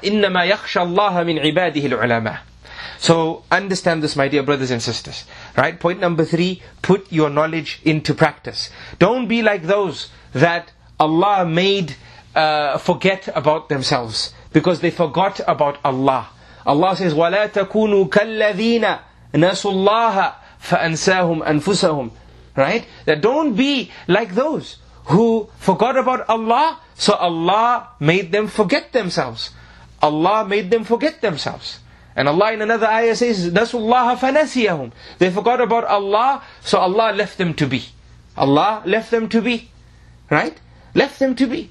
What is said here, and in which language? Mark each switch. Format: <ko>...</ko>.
<ar>إِنَّمَا يَخْشَى اللَّهَ مِنْ عِبَادِهِ الْعُلَمَى.</ar> <en>So understand this, my dear brothers and sisters. Right? Point number three, put your knowledge into practice. Don't be like those that Allah made forget about themselves because they forgot about Allah. Allah says,</en> <ar>وَلَا تَكُونُوا كَالَّذِينَ نَسُوا اللَّهَ فَأَنْسَاهُمْ أَنْفُسَهُمْ.</ar> <en>Right? That don't be like those who forgot about Allah, so Allah made them forget themselves. Allah made them forget themselves. And Allah in another ayah says,</en> <ar>نَسُوا اللَّهَ فَنَسِيَهُمْ.</ar> <en>They forgot about Allah, so Allah left them to be. Allah left them to be. Right? Left them to be.</en>